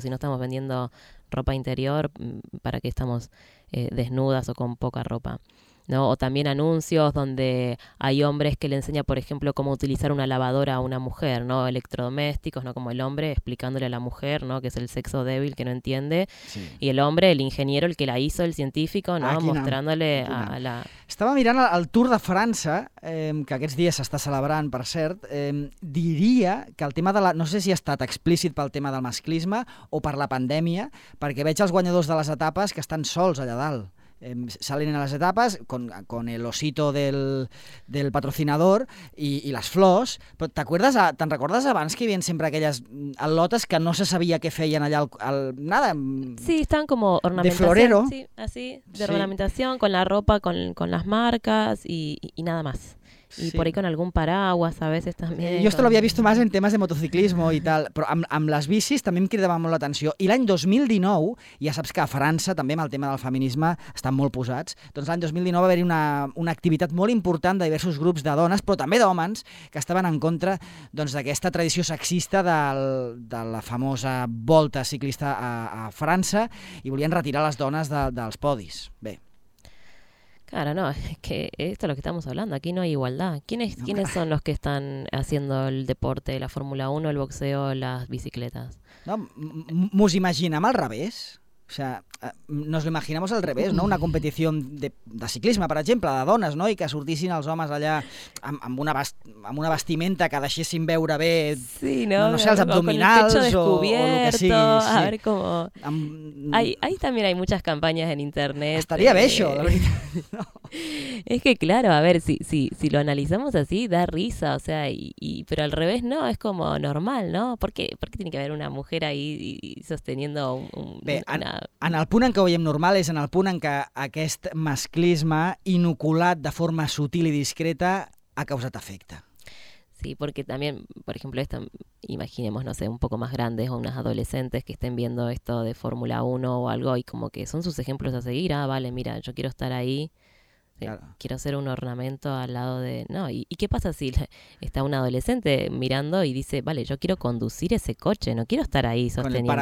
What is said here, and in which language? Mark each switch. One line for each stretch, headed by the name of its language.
Spanish: Si no estamos vendiendo ropa interior, ¿para qué estamos desnudas o con poca ropa? ¿No? O también anuncios donde hay hombres que le enseña, por ejemplo, cómo utilizar una lavadora a una mujer, ¿no? Electrodomésticos, ¿no? Como el hombre explicándole a la mujer, ¿no? Que es el sexo débil, que no entiende. Sí. Y el hombre, el ingeniero, el que la hizo, el científico, ¿no? Mostrándole a la...
Catalan: Estava mirant el Tour de França, que aquests dies s'està celebrant, per cert. Diria que el tema de la... No sé si ha estat explícit pel tema del masclisme o per la pandèmia, perquè veig els guanyadors de les etapes que estan sols allà dalt.
Spanish: Salen en las etapas con el osito del patrocinador y las flores. ¿Te recuerdas a Vansky bien siempre aquellas lotas que no se sabía que feían allá al nada? Sí, están como ornamentación. De florero. Sí, así, de ornamentación, con la ropa, con las marcas y nada más. Y sí. Por ahí con algún paraguas a veces también. Yo esto lo había visto más en temas de motociclismo y tal, pero amb las bicis también
Catalan: me cridava molt l'atenció. Y l'any 2019,
Spanish: ya sabes que
Catalan: a França
Spanish: también
Catalan: amb el tema del feminisme estan molt posats, doncs l'any 2019 va haver una activitat molt important de diversos grups de dones, però també d'homes, que estaven en contra doncs d'aquesta tradició sexista de la famosa volta ciclista a França, i volien retirar les dones dels podis. Bé.
Spanish: Claro, no, es que esto es lo que estamos hablando, aquí no hay igualdad. ¿Quiénes son los que están haciendo el deporte, la Fórmula 1, el boxeo, las bicicletas? No, nos imaginamos al revés. O sea, nos lo imaginamos al revés,
Catalan: ¿no? Una competició de ciclisme, per exemple, de dones, ¿no? I que sortissin els homes allà amb una vestimenta que deixessin veure bé, sí, no? No, no sé, els abdominals o
Spanish: el pecho descubierto, sí. A ver cómo... Ahí también hay muchas campañas en internet.
Catalan: Estaría bé, això, la veritat.
Spanish: Es que claro, a ver, si lo analizamos así, da risa, o sea, y pero al revés no, es como normal, ¿no? ¿Por qué tiene que haber una mujer ahí sosteniendo una...
Catalan: En el punt en què ho veiem normal és en el punt en què aquest masclisme inoculat de forma sutil i discreta ha causat efecte.
Spanish: Sí, porque también, por ejemplo, esto, imaginemos, no sé, un poco más grandes o unas adolescentes que estén viendo esto de Fórmula 1 o algo y como que son sus ejemplos a seguir. Ah, vale, mira, yo quiero estar ahí. Claro. Quiero hacer un ornamento al lado de... No, ¿y qué pasa si está un adolescente mirando y dice, vale, yo quiero conducir ese coche, no quiero estar ahí sosteniendo.